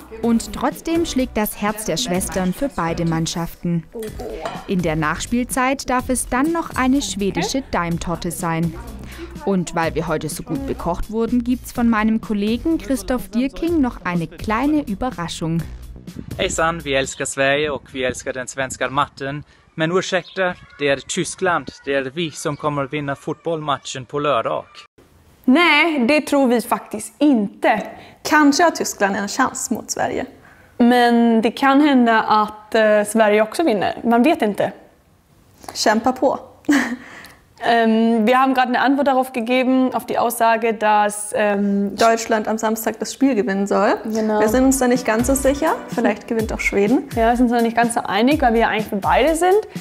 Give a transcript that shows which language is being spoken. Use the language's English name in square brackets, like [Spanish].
[German] Und trotzdem schlägt das Herz der Schwestern für beide Mannschaften. In der Nachspielzeit darf es dann noch eine schwedische Daimtorte sein. Und weil wir heute so gut bekocht wurden, gibt's von meinem Kollegen Christoph Dierking noch eine kleine Überraschung. [Swedish] Hejsan, wir älskar Sverige och vi älskar den svenska matten. Men ursäkta, det är Tyskland, det är vi som kommer vinna fotbollmatchen på lördag. Nej, det tror vi faktiskt inte. Kanske har Tyskland en chans mot Sverige. Men det kan hända att Sverige också vinner. Man vet inte. Kämpa på. [German] Wir haben gerade eine Antwort darauf gegeben, auf die Aussage, dass Deutschland am Samstag das Spiel gewinnen soll. Genau. Wir sind uns da nicht ganz so sicher. Vielleicht gewinnt auch Schweden. Ja, wir sind uns da nicht ganz so einig, weil wir ja eigentlich für beide sind.